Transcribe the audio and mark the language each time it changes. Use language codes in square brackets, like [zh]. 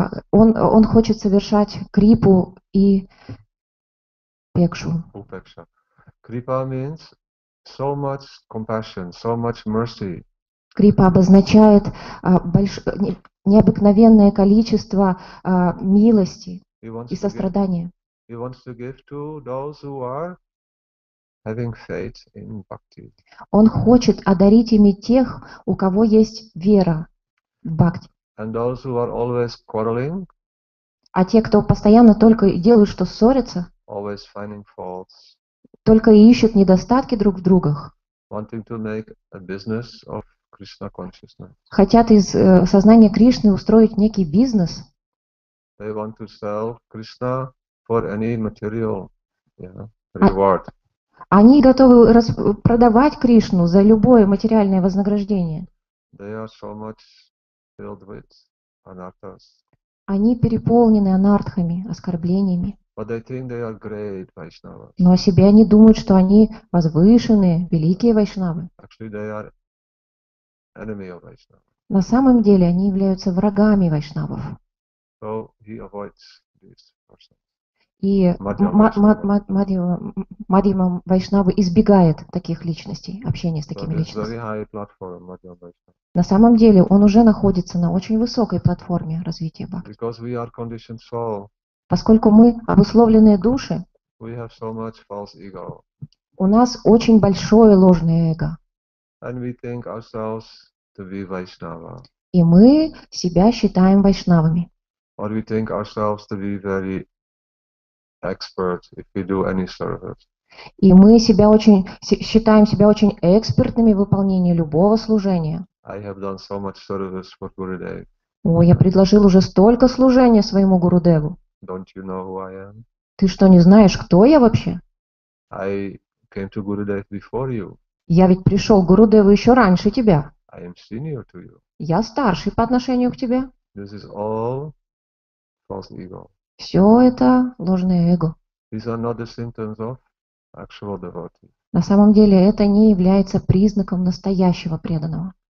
[ru] Он хочет совершать крипу и пекшу. Упекша. [en] Крипа means so much compassion, so much mercy. [ru] Крипа обозначает необыкновенное количество милости и сострадания. [en] He wants to give to those who are having faith in bhakti. [ru] Он хочет одарить ими тех, у кого есть вера в бхакти. [en] And those who are always quarreling, [ru] а те, кто постоянно только и делают, что ссорятся, [en] always finding faults, [ru] только и ищут недостатки друг в другах, [en] wanting to make a business of Krishna consciousness, [ru] хотят из сознания Кришны устроить некий бизнес, [en] they want to sell Krishna for any material, reward. [ru] Они готовы продавать Кришну за любое материальное вознаграждение. [en] They are so much filled with anarthas. [ru] Они переполнены анартхами, оскорблениями. [en] But they think they are great Vaishnavas. [ru] Но о себе они думают, что они возвышенные, великие вайшнавы. [en] Actually, they are enemy of Vaishnava. [ru] На самом деле они являются врагами вайшнавов. [en] So he avoids this person. [ru] И Мадхьяма Вайшнава избегает таких личностей, общения с такими личностями. На самом деле он уже находится на очень высокой платформе развития бхакти. Поскольку мы обусловленные души, [en] we have so much false ego. [ru] У нас очень большое ложное эго. [en] And we think ourselves to be Vaishnava. [ru] И мы себя считаем вайшнавами. [en] Or we think ourselves to be very expert if we do any service. [ru] И мы себя очень считаем себя очень экспертными в выполнении любого служения. [en] I have done so much service for Gurudev. [ru] Ой, я предложил уже столько служения своему Гурудеву. [en] Don't you know who I am? [ru] Ты что, не знаешь, кто я вообще? [en] I came to Gurudev before you. [ru] Я ведь пришел к Гурудеву еще раньше тебя. [en] I am senior to you. [ru] Я старший по отношению к тебе. [en] This is all false ego. [ru] Все это ложное эго. [en] These are not the symptoms of actual devotee. [ru] На самом деле это не является признаком настоящего преданного.